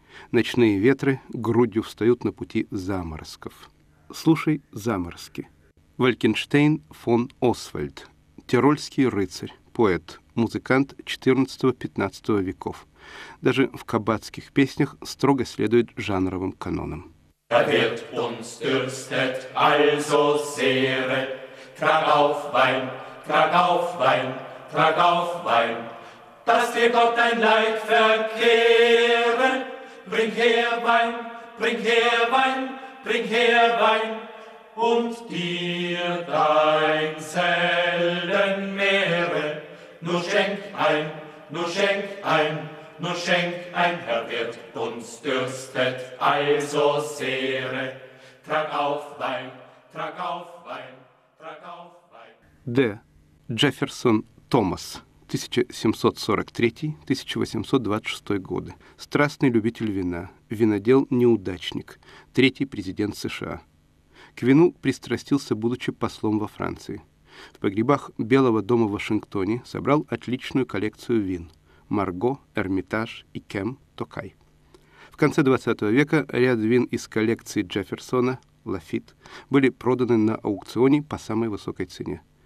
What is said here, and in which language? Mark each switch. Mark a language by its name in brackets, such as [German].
[Russian] Ночные ветры грудью встают на пути заморозков. Слушай заморозки. Валькенштейн фон Освальд. Тирольский рыцарь, поэт, музыкант 14-15 веков. Даже в кабацких песнях строго следует жанровым канонам. [German] Da wird uns dürstet, also sehre. Trag auf Wein, trag auf Wein, trag auf Wein. Dass dir Gott dein Leid verkehre. Bring her Wein, bring her Wein, bring her Wein. Und dir dein selten mehre. Nur schenk ein, nur schenk ein. Nur schenk ein, Herr Wirt, uns dürstet also sehre. Trag auf Wein, trag auf Wein, trag auf Wein. D. [Russian] Jefferson Thomas, 1743-1826 годы. Страстный любитель вина, винодел-неудачник, третий президент США. К вину пристрастился, будучи послом во Франции. В погребах Белого дома в Вашингтоне собрал отличную коллекцию вин. Марго, Эрмитаж, Икем, Токай. В конце 20 века ряд вин из коллекции Джефферсона, Лафит, были проданы на аукционе по самой высокой цене.